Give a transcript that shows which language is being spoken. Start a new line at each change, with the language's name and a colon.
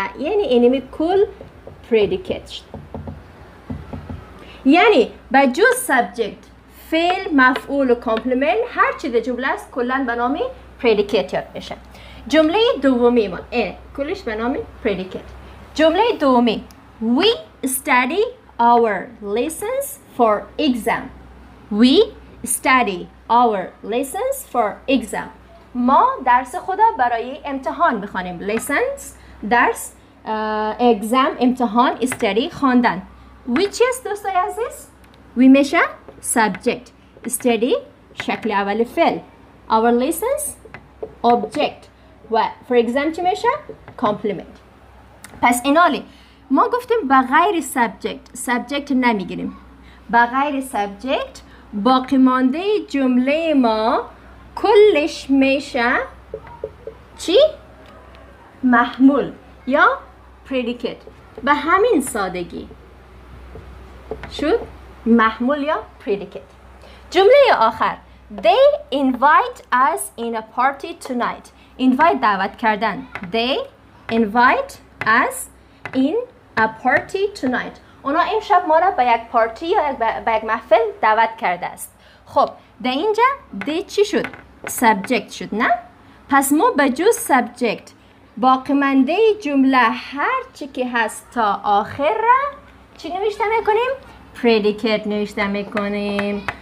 Persian: یعنی اینمی کل پریدیکیت شد. یعنی به جز سبجکت، فعل، مفعول و کامپلیمنت، هر چی در جمله است کلن به نام پریدیکیت یاد میشه. جمله دومی ما اینه، کلش به نام پریدیکیت. جمله دومی،
English: We study our lessons for exam. We study our lessons for exam.
Persian: ما درس خدا برای امتحان بخوانیم. Lessons درس، exam امتحان، study خواندن.
English: Which is
Persian: دوستای عزیز؟
English: We میشه subject. Study
Persian: شکل اول فعل.
English: Our lessons object.
Persian: و for exam چی میشه؟ Compliment. پس اینالی ما گفتیم بغیر subject، subject نمیگیریم. بغیر subject باقی مانده جمله ما کلش میشه چی؟ محمول یا predicate. به همین سادگی شد محمول یا predicate. جمله آخر،
English: They invite us in a party tonight.
Persian: Invite دعوت کردن.
English: They invite us in a party tonight.
Persian: اونا امشب ما را به یک پارتی یا به یک محفل دعوت کرده است. خب ده اینجا ده چی شد؟ سبجکت شد نه؟ پس ما بجز سبجکت باقی مانده جمله هر چی که هست تا آخر را چی نوشته میکنیم؟ پردیکت نوشته میکنیم.